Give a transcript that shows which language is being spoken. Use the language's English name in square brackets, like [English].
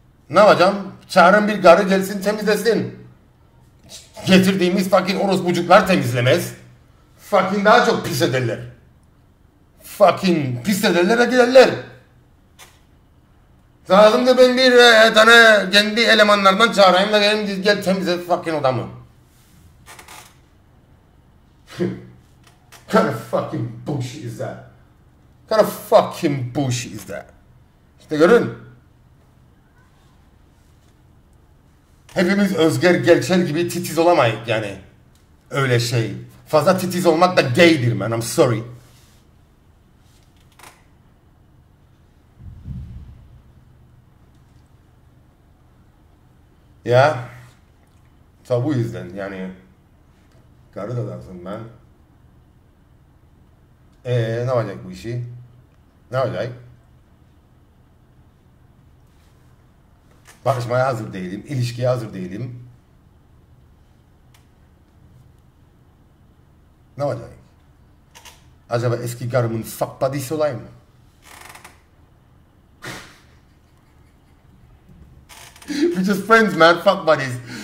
[Turkish] Ne yapacağım? Çağırın bir garı gelsin temizlesin. Getirdiğimiz fucking orospucuklar temizlemez. Fucking daha çok pis ederler. Fucking pis ederler de giderler. Lazım da ben bir tane kendi elemanlardan çağırayım da gelin gel temizle fucking odamı. [English] Kind of fucking bullshit is that? Kind of fucking bullshit is that? [Turkish] İşte görün. Hepimiz özger gerçel gibi titiz olamayız yani. Öyle şey. Fazla titiz olmak da gaydir man. [English] I'm sorry. [Turkish] Ya. Tabi bu yüzden yani. Karı da lazım ben. Ne olacak bu işi? Ne olacak? Barışmaya hazır değilim. İlişkiye hazır değilim. Ne olacak? Acaba eski karımın fuck buddy'si olayım mı? [English] We're just friends man, fuck buddies.